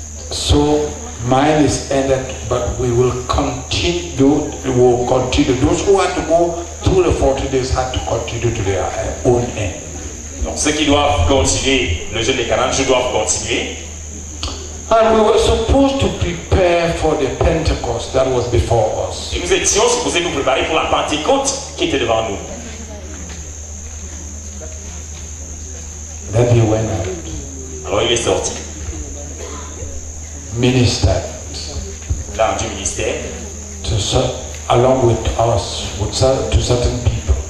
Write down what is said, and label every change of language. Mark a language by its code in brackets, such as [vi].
[en] So mine is ended, but we will continue. We will continue. Those who had to go through the 40 days had to continue to their own end. [fr] Donc ceux qui doivent continuer le jeûne des 40 jours doivent continuer. [en] And we were supposed to prepare for the Pentecost that was before us. [fr] Et nous étions supposés nous préparer pour la Pentecôte qui était devant nous. [en] Then he went out. [fr] Alors il est sorti. [en] Ministered. [fr] Dans du ministère. [en] To certain people.